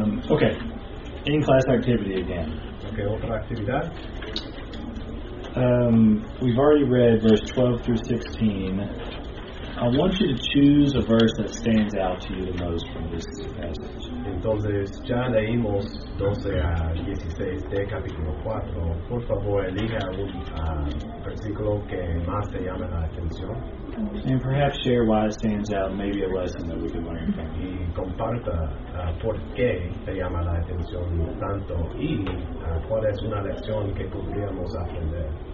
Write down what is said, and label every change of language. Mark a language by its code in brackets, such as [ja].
[en] Okay, in class activity again. [es] Okay, otra actividad. [en] We've already read verse 12 through 16. I want you to choose a verse that stands out to you the most from this passage. [es] Entonces, ya leímos 12 a 16 de capítulo 4. Por favor, elija un versículo que más te llame la atención. [en] And perhaps share why it stands out, maybe a lesson that we can learn from. [es] Y comparta por qué te llama la atención tanto y cuál es una lección que podríamos aprender.